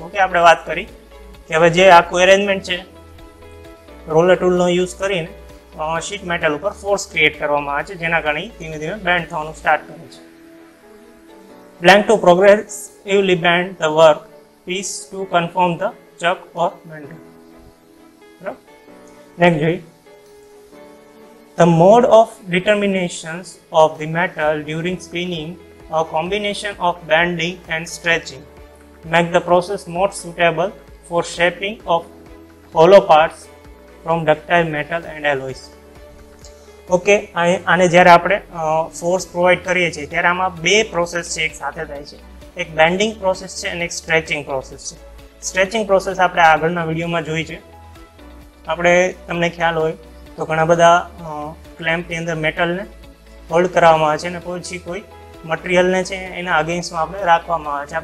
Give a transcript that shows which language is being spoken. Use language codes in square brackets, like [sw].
[gu] Okay, આપણે વાત કરી કે હવે જે આખું એરેન્જમેન્ટ છે રોલર ટૂલનો યુઝ કરીને શીટ મેટલ ઉપર ફોર્સ ક્રિએટ કરવામાં આવે છે, જેના કારણે ધીમે ધીમે બેન્ડ થવાનું સ્ટાર્ટ કરે છે. [en] Blank to progressively bend the work piece to confirm the chuck or mandrel. [gu] બરાબર, નેક્સ્ટ જોઈએ. [en] The mode of determination of the metal during spinning, a combination of bending and stretching, make the process more suitable for shaping of hollow parts from ductile metal and alloys. [gu] Okay, આને જ્યારે આપણે force provide કરીએ છીએ ત્યારે આમાં બે process છે એક સાથે થાય છે, એક bending process છે અને એક stretching process છે. Stretching process આપણે આગળના વિડીયોમાં જોઈ છે. આપણે તમને ખ્યાલ હોય તો ઘણા બધા ક્લેમ્પની અંદર મેટલને હોલ્ડ કરવામાં આવે છે અને પછી કોઈ મટીરિયલને છે એના અગેન્સ્ટમાં આપણે રાખવામાં આવે છે.